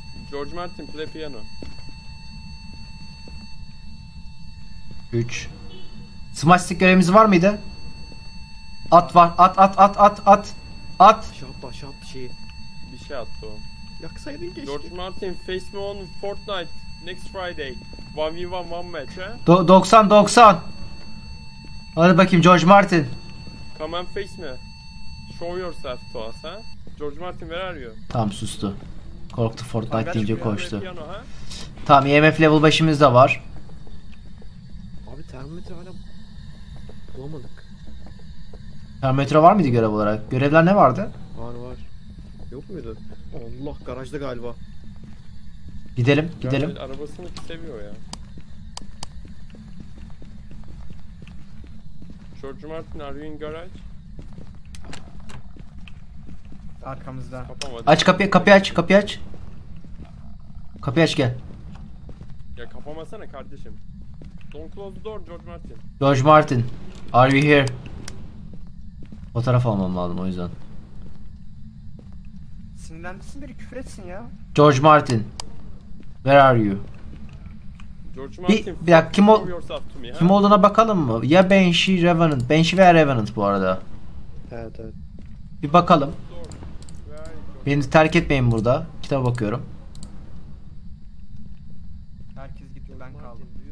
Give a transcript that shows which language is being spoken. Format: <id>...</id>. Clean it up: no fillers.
<en>George Martin play piano. 3.</en> <tr>Smash'lik görevimiz var mıydı? At var. At. Bir şey attı, bir şey attı. Bir şey attı o. Yaksaydın keşke.</tr> <en>George Martin, face me on Fortnite next Friday. 1v1 one match, he? 90-90.</en> <tr>Hadi bakayım George Martin.</tr> <en>Come and face me. Show yourself to us, he? George Martin, where are you?</en> <tr>Tam sustu. Korktu Fortnite deyince koştu. Tamam, EMF level 5'imiz de var. Abi termometre hala bulamadık. Termometre var mıydı görev olarak? Görevler ne vardı? Var var. Yok muydu? Allah, garajda galiba. Gidelim, gidelim. Garaj arabasını seviyor ya.</tr> <en>George Martin, are you in garage?</en> <tr>Arkamızda. Kapamadım. Aç kapıyı, kapıyı aç, kapıyı aç. Kapıyı aç, gel. Ya kapamasana kardeşim.</tr> <en>Don't close the door, George Martin. George Martin, are you here?</en> <tr>Fotoğraf almam lazım o yüzden. Sinirlenmişsin, biri küfür etsin ya.</tr> <en>George Martin, where are you? George Martin,</en> <tr>bir dakika, kim, kim olduğuna bakalım mı? Ya Banshee, Revenant. Banshee veya Revenant bu arada. Evet, evet. Bir bakalım. Beni terk etmeyin burada. Kitaba bakıyorum. Herkes gitti, ben kaldım.</tr>